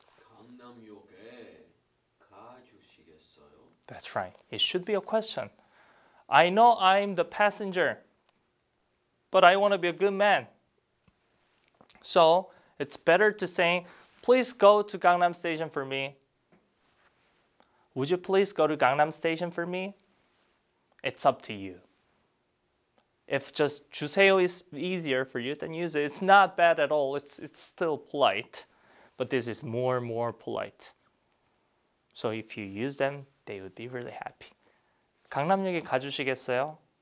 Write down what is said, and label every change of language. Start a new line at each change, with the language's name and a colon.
Korean: 강남역에 가주시겠어요?
English: That's right. It should be a question. I know I'm the passenger, but I want to be a good man. So it's better to say, please go to Gangnam Station for me. Would you please go to Gangnam Station for me? It's up to you. If just 주세요 is easier for you, then use it. It's not bad at all. It's still polite. But this is more polite. So if you use them, they would be really happy.
Korean: 강남역에 가주시겠어요?